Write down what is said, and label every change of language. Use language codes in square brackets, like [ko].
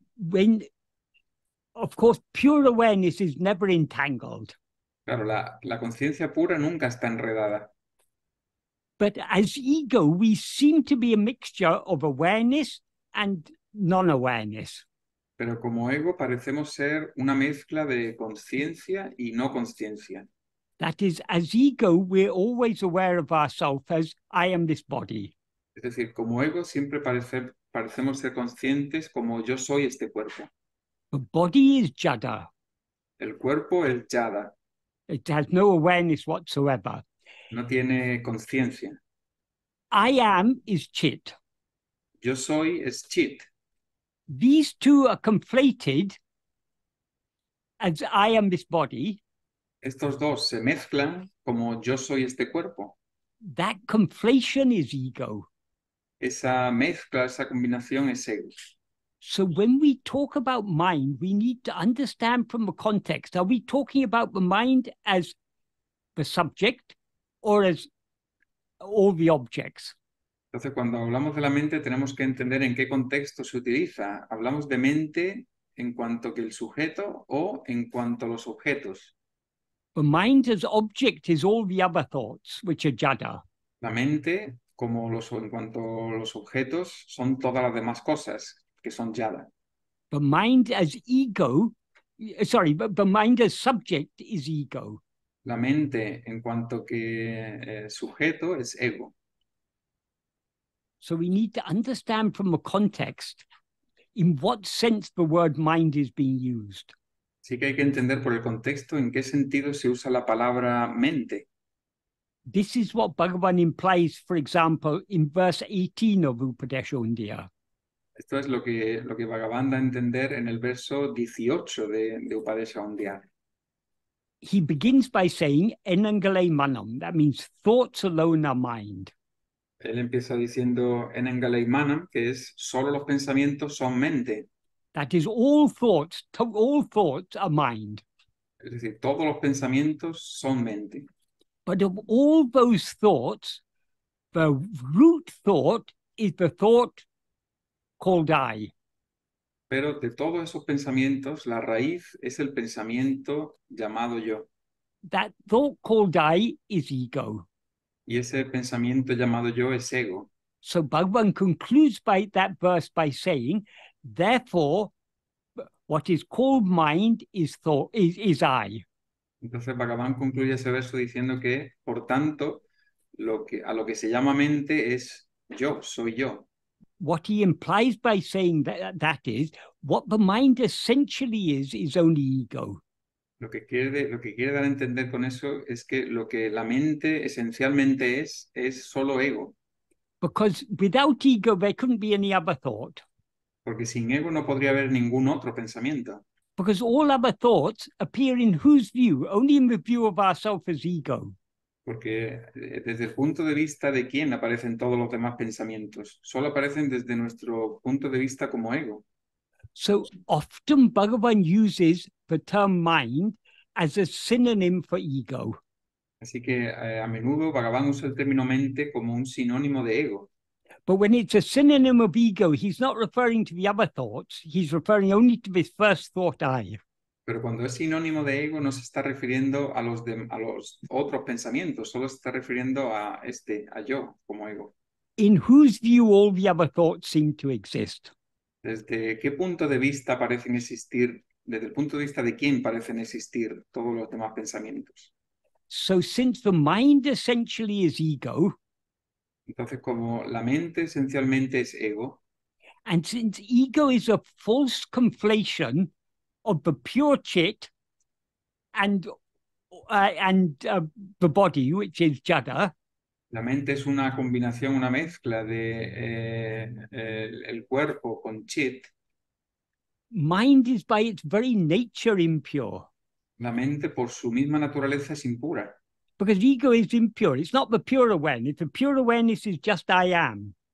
[en] when, of course, pure awareness is never entangled. [es] Claro, la conciencia pura nunca está enredada. [en] But as ego, we seem to be a mixture of awareness and non-awareness. [es] Pero como ego, parecemos ser una mezcla de conciencia y no conciencia. [en] That is, as ego, we're always aware of ourselves as I am this body. [es] Es decir, como ego, siempre parecemos ser conscientes como yo soy este cuerpo. [en] The body is jada. [es] El cuerpo es jada. [en] It has no awareness whatsoever. [es] No tiene conciencia. [en] I am is chit. [es] Yo soy es chit. [en] These two are conflated as I am this body. [es] Estos dos se mezclan como yo soy este cuerpo. [en] That conflation is ego. [es] Esa mezcla, esa combinación es ego. [en] So when we talk about mind, we need to understand from the context. Are we talking about the mind as the subject or as all the objects? [es] Entonces, cuando hablamos de la mente, tenemos que entender en qué contexto se utiliza. ¿Hablamos de mente en cuanto que el sujeto o en cuanto a los objetos? [en] The mind as object is all the other thoughts, which are jada. [es] La mente, como los, en cuanto a los objetos, son todas las demás cosas, que son jada. [en] The mind as ego, sorry, but the mind as subject is ego. [es] La mente, en cuanto que sujeto, es ego. [en] So we need to understand from the context in what sense the word mind is being used. [es] Sí que hay que entender por el contexto en qué sentido se usa la palabra mente. [en] This is what Bhagavan implies, for example, in verse 18 of Upadeshundia. [es] Esto es lo que Bhagavan da a entender en el verso 18 de Upadeshundia. [en] He begins by saying, [ta] enangale manam, [en] that means thoughts alone are mind. [es] Él empieza diciendo en [ta] engalei manam, [es] que es solo los pensamientos son mente. [en] That is all thoughts are mind. [es] Es decir, todos los pensamientos son mente. [en] But of all those thoughts, the root thought is the thought called I. [es] Pero de todos esos pensamientos, la raíz es el pensamiento llamado yo. [en] That thought called I is ego. [es] Y ese pensamiento llamado yo es ego. [en] So Bhagavan concludes by that verse by saying, therefore, what is called mind is thought is I. [es] Entonces Bhagavan concluye ese verso diciendo que, por tanto, lo que se llama mente es yo, soy yo. [en] What he implies by saying that is, what the mind essentially is only ego. [es] Lo que quiere dar a entender con eso es que lo que la mente esencialmente es solo ego. [en] Because without ego there couldn't be any other thought. [es] Porque sin ego no podría haber ningún otro pensamiento. [en] Because all other thoughts appear in whose view? Only in the view of ourselves as ego. [es] Porque desde el punto de vista de quién aparecen todos los demás pensamientos. Solo aparecen desde nuestro punto de vista como ego. [en] So often Bhagavan uses the term mind as a synonym for ego. [es] Así que a menudo Bhagavan usa el término mente como un sinónimo de ego. [en] But when it's a synonym of ego, he's not referring to the other thoughts, he's referring only to this first thought I. [es] Pero cuando es sinónimo de ego no se está refiriendo a los otros pensamientos, solo se está refiriendo a yo como ego. [en] In whose view all the other thoughts seem to exist? [es] ¿Desde qué punto de vista parecen existir? ¿Desde el punto de vista de quién parecen existir todos los demás pensamientos? [en] So since the mind essentially is ego, [es] entonces como la mente esencialmente es ego, [en] and since ego is a false conflation of the pure chit and the body, which is jada. [es] La mente es una combinación, una mezcla de el cuerpo con chit. [en] Mind is by its very nature impure. [es] La mente por su misma naturaleza es impura. [en] Because ego is impure. It's not the pure awareness. The pure awareness is just I am.